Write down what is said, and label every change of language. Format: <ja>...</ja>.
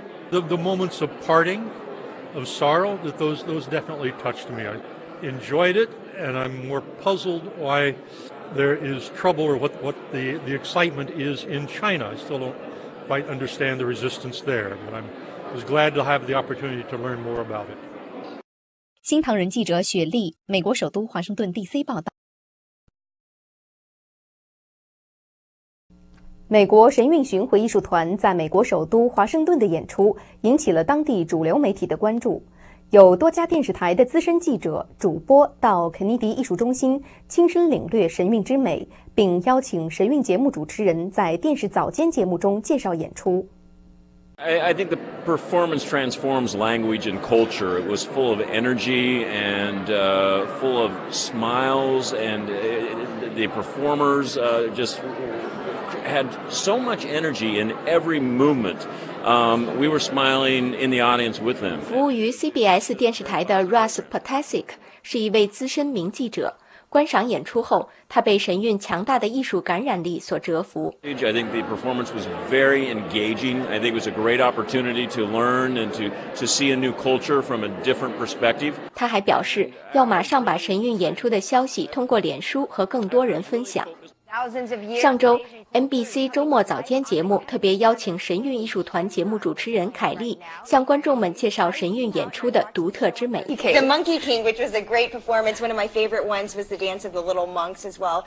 <en>The moments of parting, of sorrow, that those definitely touched me. I enjoyed it and I'm more puzzled why... There is trouble or what the excitement is in China. I still don't quite understand the resistance there, but I was glad to have the opportunity to learn more about it.</en> <zh>新唐人记者雪莉，美国首都华盛顿 DC 报道。美国神韵巡回艺术团在美国首都华盛顿的演出引起了当地主流媒体的关注。有多家电视台的资深记者、主播到肯尼迪艺术中心亲身领略神韵之美，并邀请神韵节目主持人在电视早间节目中介绍演出。</zh> <en>I think the performance transforms language and culture. It was full of energy and full of smiles, and the performers just had so much energy in every movement. We were smiling in the audience with them.</en> <zh>服务于 CBS 电视台的 Russ Potasik 是一位资深名记者。观赏演出后，他被神韵强大的艺术感染力所折服。</zh> <en>I think the performance was very engaging. I think it was a great opportunity to learn and to see a new culture from a different perspective.</en> <zh>他还表示，要马上把神韵演出的消息通过脸书和更多人分享。上周 NBC 周末早间节目特别邀请神韵艺术团节目主持人凯莉向观众们介绍神韵演出的独特之美。</zh> <en>The Monkey King, which was a great performance, one of my favorite ones was the Dance of the Little Monks as well.</en>